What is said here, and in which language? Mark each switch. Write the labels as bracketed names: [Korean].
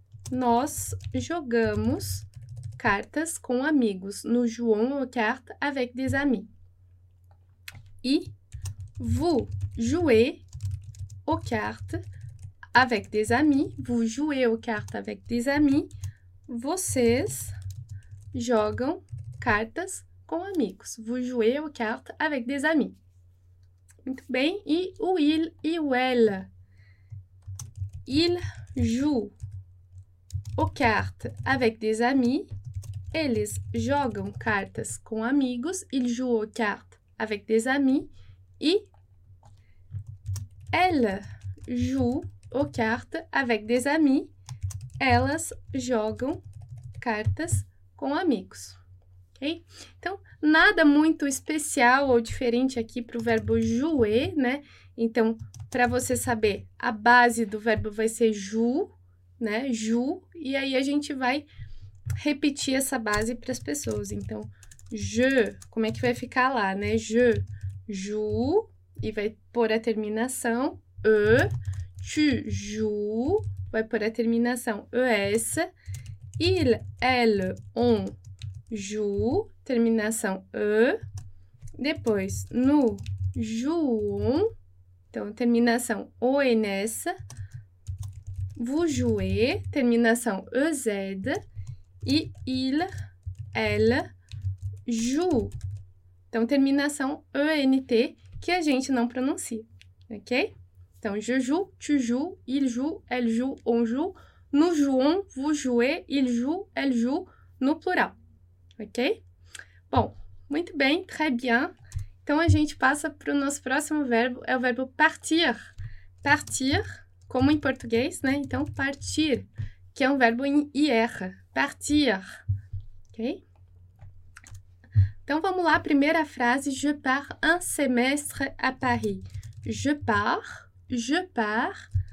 [Portuguese] Nós jogamos cartas com amigos. [French] Nous jouons aux cartes avec des amis. E vous jouez aux cartes avec des amis. Vous jouez aux cartes avec des amis. [Portuguese] Vocês jogam cartas com amigos. [French] Vous jouez aux cartes avec des amis. [Portuguese] Muito bem. E o il e o elle? [French] Ils jouent aux cartes avec des amis. [Portuguese] Eles jogam cartas com amigos. [French] Ils jouent aux cartes avec des amis. E elle joue aux cartes avec des amis. [Portuguese] Elas jogam cartas com amigos. Ok? Então, nada muito especial ou diferente aqui para o verbo jouer, né? Então, para você saber, a base do verbo vai ser joue, né? Joue. E aí a gente vai repetir essa base para as pessoas. Então, je, como é que vai ficar lá, né? [French] Je joue. [Portuguese] E vai pôr a terminação. [French] Tu joues, [Portuguese] vai pôr a terminação ES. [French] Il, elle, on joue, [Portuguese] terminação E. Depois, [French] nous jouons, [Portuguese] então terminação ONS. [French] Vous jouez, [Portuguese] terminação EZ. E [French] il, elle, joue, [Portuguese] então terminação ENT, que a gente não pronuncia, ok? [French] Então, je joue, tu joues, il joue, elle joue, on joue, nous jouons, vous jouez, il joue, elle joue, [Portuguese] no plural, ok? Bom, muito bem, [French] très bien. [Portuguese] Então, a gente passa para o nosso próximo verbo, é o verbo partir. Partir, como em português, né? Então, partir, que é um verbo em ir, partir, ok? Então, vamos lá, primeira frase, [French] je pars un semestre à Paris. Je pars. Je pars